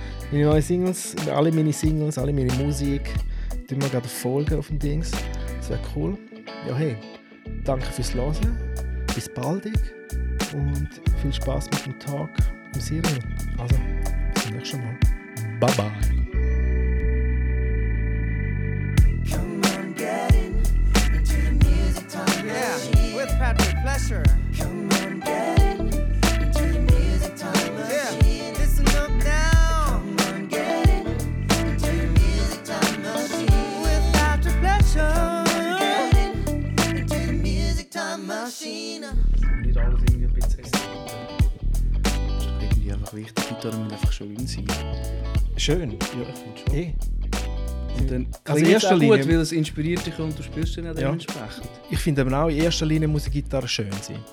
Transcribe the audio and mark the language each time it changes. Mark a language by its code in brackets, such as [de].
[de] Meine neuen Singles, alle meine Singles, alle meine Musik, tun wir gerade folgen auf dem Dings. Das wäre cool. Ja, hey, danke fürs Hören. Bis bald. Und viel Spaß mit dem Talk im Cyrill. Also, bis zum nächsten Mal. Baba. [en] Come on, get in into the music time machine. Yeah, with Patrick Pleasure. Come on, get in into the music time machine. Yeah, listen up now. Come on, get in into the music time machine. With Patrick Pleasure. Come on, get in into the music time machine. [de] Das ist irgendwie einfach wichtig, die Gitarre muss einfach schön sein. Schön? Ja, ich finde schon. Hey. Und dann also klingt es gut, weil es inspiriert dich und du spielst dann auch dementsprechend. Ja. Ich finde auch, in erster Linie muss die Gitarre schön sein.